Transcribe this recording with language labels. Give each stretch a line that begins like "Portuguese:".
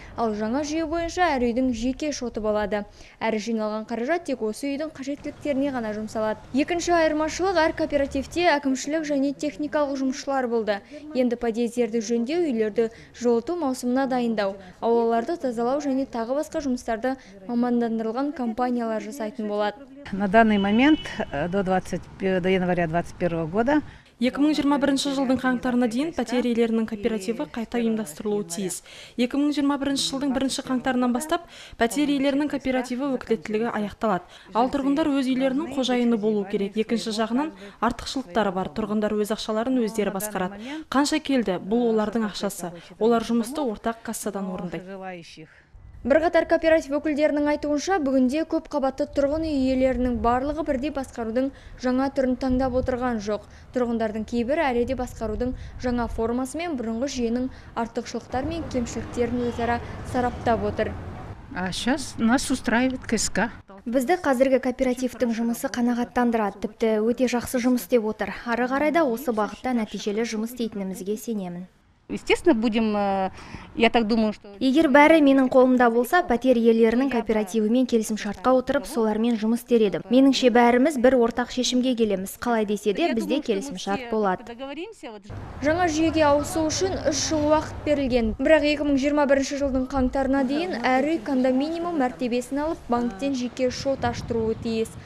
Kazakh: Ал жаңа жүйе бойынша әр үйдің жеке шоты болады. Әр жиналған қаражат тек осы үйдің қажеттіліктеріне ғана жұмсалады. Екінші айырмашылық әр кооперативте әкімшілік және техникалық жұмысшылар болды. Енді подъездерді жөндеу, үйлерді жылыту маусымына дайындау, аулаларды тазалау және тағы басқа жұмыстарды мамандандыру компаниялар жасайтын болады.
Russian: На данный момент до января 21 года
Kazakh: 2021 жылдың қаңтарына дейін пәтер иелерінің кооперативі қайта ұйымдастырылуы тиіс. 2021 жылдың бірінші қаңтарынан бастап пәтер иелерінің кооперативі өкілеттілігі аяқталады. Ал тұрғындар өз үйлерінің қожайыны болуы керек. Екінші жағынан артықшылықтары бар. Тұрғындар өз ақшаларын өздері басқарады. Қанша келді, бұл олардың ақшасы. Олар жұмысты ортақ кассадан орындайды. Бірқатар кооператив өкілдерінің айтуынша, бүгінде көп қабатты тұрғын үй иелерінің барлығы бірдей басқарудың жаңа түрін таңдап отырған жоқ. Тұрғындардың кейбірі әлі де басқарудың жаңа формасы мен бұрынғы жүйенің артықшылықтары мен кемшіліктерін өзара сараптап отыр.
Russian: Сейчас нас устраивает КСК.
Kazakh: Бізді қазіргі кооперативтің жұмысы қанағаттандырады, тіпті өте жақсы жұмыс істеп отыр. Ары қарай да осы бағытта нәтижелі жұмыс істейтінімізге сенемін.
Russian: Естественно, будем, я так думаю, что...
Kazakh: Егер бәрі менің қолымда болса, пәтер иелерінің кооперативімен келісім шартқа отырып, солармен жұмыс істер едім. Меніңше бәріміз бір ортақ шешімге келеміз. Қалай десе де, бізде келісім шарт болады. Жаңа жүйеге ауысу үшін 3 жыл уақыт берілген. Бірақ 2021 жылдың қаңтарына дейін әр үй кондоминиум мәртебесін алып, банктен жеке шот аштыруы тиіс.